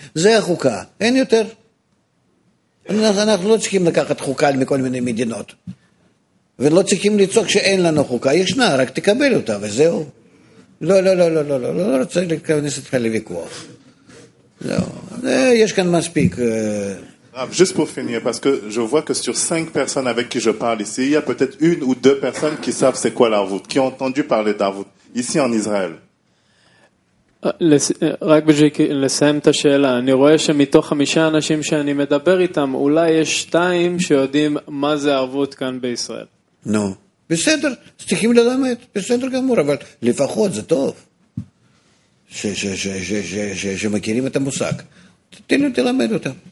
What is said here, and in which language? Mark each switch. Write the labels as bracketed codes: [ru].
[he] זה החוקה, אין יותר. אנחנו לא צריכים לקחת חוקה מכל מיני מדינות, ולא צריכים לצעוק שאין לנו חוקה, ישנה, רק תקבל אותה וזהו. לא, לא, לא, לא, לא, לא, לא, לא רוצה להכניס אותך לוויכוח. Il y a quand même speak. [fr] Juste pour finir, parce que je vois que sur 5 personnes avec qui je parle ici, il y a peut-être une ou deux personnes qui savent c'est quoi l'arvout, qui ont entendu parler d'arvout ici en Israël. [he] רק בשביל לסיים את השאלה, אני רואה שמתוך 5 אנשים שאני מדבר איתם, אולי יש 2 שיודעים מה זה ערבות כאן בישראל. נו, בסדר, צריכים ללמד, בסדר גמור, אבל לפחות זה טוב. ש ש ש ש ש ש שמכירים את המושג, תן לי תלמד אותם.